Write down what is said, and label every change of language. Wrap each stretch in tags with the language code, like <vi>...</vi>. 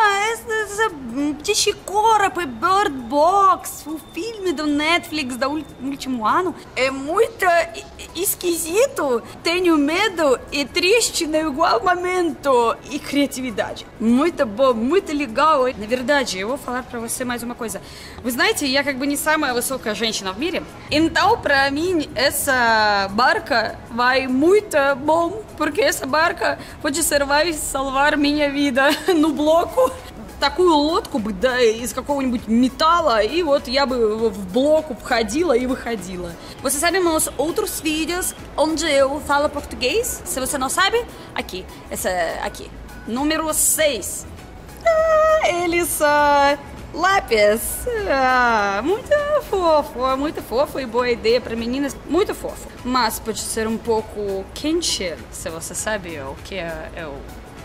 <pt>Esse</pt> <ru>птичий короб и</ru> <pt>Bird Box</pt> <ru>в фильме</ru> <pt>до Netflix до último ano. É muito esquisito. Tenho medo e triste no igual momento. E criatividade. Muito bom, muito legal. Na verdade, eu vou falar pra você mais uma coisa.</pt> <ru>Вы знаете, я как бы не самая высокая женщина в мире.</ru> <pt>Então, pra mim, essa barca vai muito bom. Porque essa barca pode ser, vai salvar minha vida no bloco.</pt> <ru>Такую лодку бы, да, из какого-нибудь металла, и вот я бы в блоку входила и выходила.</ru> <pt>Você sabe meus outros vídeos, onde eu falo português? Se você não sabe, aqui. Essa aqui. Número 6. Elisa. Lápis. Muito fofo. Muito fofo e boa ideia para meninas. Muito fofo. Mas pode ser um pouco quente, se você sabe o que é o...</pt>